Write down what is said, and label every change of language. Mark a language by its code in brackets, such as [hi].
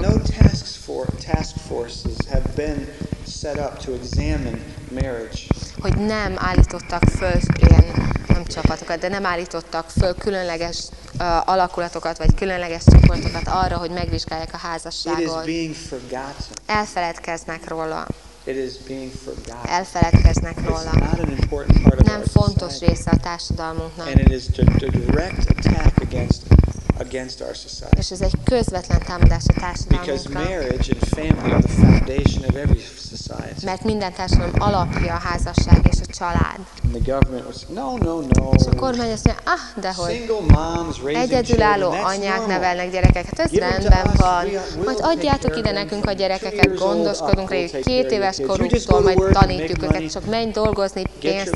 [en] No task forces have been set up to examine marriage. [hu] Hogy nem állítottak föl ilyen nem csapatokat, de nem állítottak föl különleges alakulatokat vagy különleges csoportokat arra, hogy megvizsgálják a házasságot. [en] It is being forgotten. [hu] Elfeledkeznek róla. [en] It is being forgotten. [hu] Elfeledkeznek róla. [en] It's not an important part of our [hu] society. Nem fontos része a társadalmunknak. [en] And it is a direct attack against our society. [hu] És ez egy közvetlen támadás a társadalmunkra. [en] Because marriage and family are the foundation of every society. [hu] Mert minden társadalom alapja a házasság és a család. [en] And the government was no. [hu] És a kormány azt mondja, de hogy. [en] Single moms raising [hu] egyedülálló anyák nevelnek gyerekeket, ez rendben van. Majd adjátok ide nekünk a gyerekeket, gondoskodunk rájuk 2 éves koruktól, majd tanítjuk őket, csak menj dolgozni, pénzt